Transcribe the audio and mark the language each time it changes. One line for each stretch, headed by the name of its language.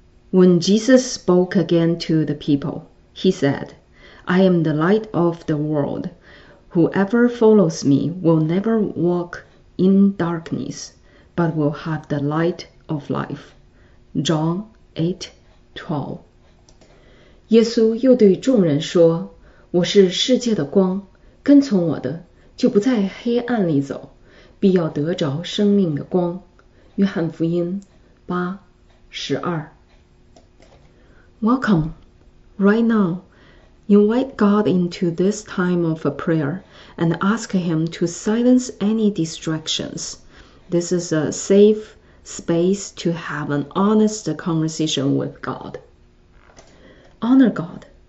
English: When Jesus spoke again to the people, he said, I am the light of the world. Whoever follows me will never walk in darkness, but will have the light of life. John 8:12.
Chinese: 耶稣又对众人说，我是世界的光，跟从我的就不在黑暗里走，必要得着生命的光。约翰福音 8:12。
English: Welcome, right now, invite God into this time of prayer and ask him to silence any distractions. This is a safe space to have an honest conversation with God. Honor God.